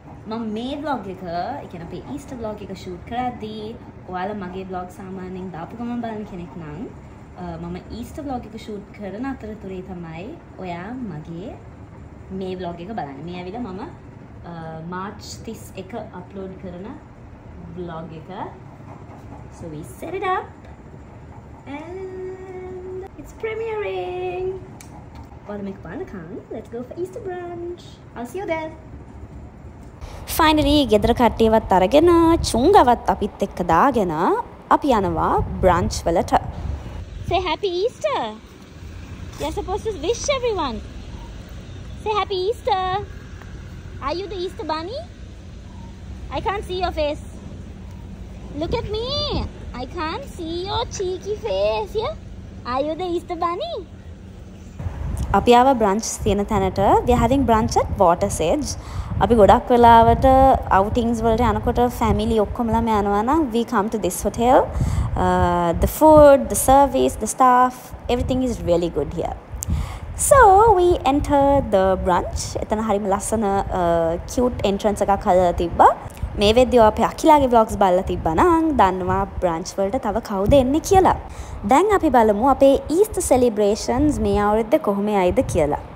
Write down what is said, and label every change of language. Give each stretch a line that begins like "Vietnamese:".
Sinhala: මම මේ බ්ලොග් එක, ඒ කියන්නේ අපේ ඊස්ටර් බ්ලොග් එක ෂූට් කරද්දී ඔයාලා මගේ බ්ලොග් සාමාන්‍යයෙන් දාපු ගමන් බලන කෙනෙක් නම් මම ඊස්ටර් බ්ලොග් එක ෂූට් කරන අතරතුරේ තමයි ඔයා මගේ මේ බ්ලොග් එක බලන්නේ. මේ ඇවිල්ලා මම මාර්ච් 31 අප්ලෝඩ් කරන බ්ලොග් එක.
English: So we set it up and it's premiering.
Sinhala: ඔයාලා මේක බලනකන්
English: let's go for Easter brunch. I'll see you there.
Sinhala: Finally ගෙදර කට්ටියවත් අරගෙන චුංගවත් අපිත් එක්ක දාගෙන අපි යනවා බ්‍රන්ච් වලට.
English: Say happy Easter. You're supposed to wish everyone. Say happy Easter. Are you the Easter bunny? I can't see your face. Look at me. I can't see your cheeky face. Yeah? Are you the Easter bunny?
Sinhala: අපි ආවා බ්‍රන්ච් තියෙන තැනට.
English: We are having brunch at Water's Edge.
Sinhala: අපි ගොඩක් වෙලාවට අවුටිංස් වලට යනකොට family ඔක්කොමලා යනවා නම්
English: we come to this hotel. The food, the service, the staff, everything is really good here. So we enter the brunch.
Sinhala: එතන හරිම ලස්සන cute entrance එකක් හදලා තිබ්බා. මේ වෙද්දි අපි අකිලාගේ vlogs බලලා තිබ්බා නම් දන්නවා brunch වලට තව කවුද එන්නේ කියලා. දැන් අපි බලමු අපේ Easter celebrations මේ අවුරුද්ද කොහොමයිද කියලා.